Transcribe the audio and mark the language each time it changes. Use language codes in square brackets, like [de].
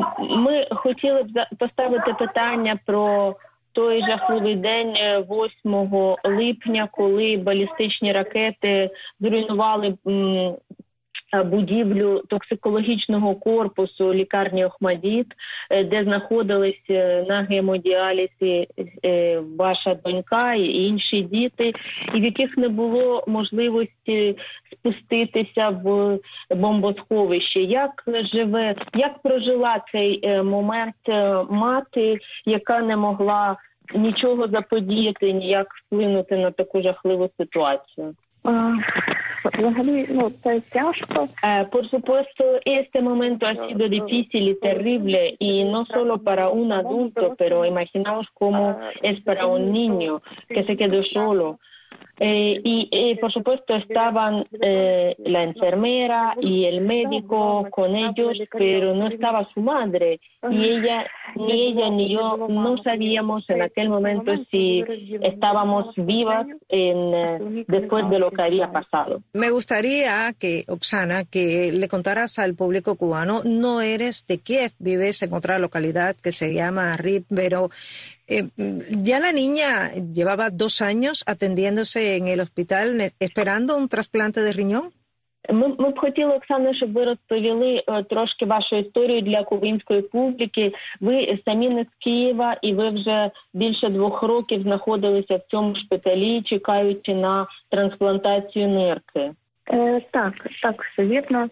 [uk] Ми хотіли б поставити питання про той жахливий день 8 липня, коли балістичні ракети зруйнували будівлю токсикологічного корпусу лікарні Охмадіт, де знаходились на гемодіалізі ваша донька і інші діти, і в яких не було можливості спуститися в бомбосховище. Як живе, як прожила цей момент мати, яка не могла нічого заподіяти, ніяк вплинути на таку жахливу ситуацію? Взагалі, ну, це тяжко. [es] Por supuesto, este momento ha sido difícil y terrible, y no solo para un adulto, pero imaginaos cómo es para un niño que se quedó solo. Y por supuesto estaban la enfermera y el médico con ellos, pero no estaba su madre, y ella ni yo no sabíamos en aquel momento si estábamos vivas después de lo que había pasado. Me gustaría que, Oksana, que le contaras al público cubano, no eres de Kiev, vives en otra localidad que se llama Rib, pero ya la niña llevaba 2 años atendiéndose en el hospital, esperando un trasplante de riñón. [uk] Ми б хотіли, Оксана, щоб ви розповіли трошки вашу історію для кубинської публіки. Ви самі не з Києва, і ви вже більше 2 років знаходилися в цьому шпиталі, чекаючи на трансплантацію нирки. Так, все вірно.